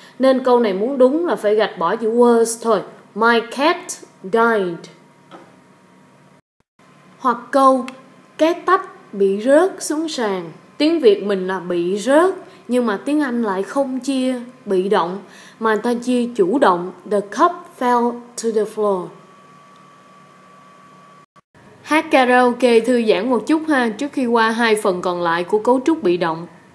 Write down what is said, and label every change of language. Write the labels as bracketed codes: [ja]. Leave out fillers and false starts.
[vi] Nên câu này muốn đúng là phải gạch bỏ chữ was thôi. [en] My cat died. [vi] Hoặc câu cái tách bị rớt xuống sàn. Tiếng Việt mình là bị rớt, nhưng mà tiếng Anh lại không chia bị động, mà ta chia chủ động. [en] The cup fell to the floor. [vi] Hát karaoke thư giãn một chút ha, trước khi qua hai phần còn lại của cấu trúc bị động.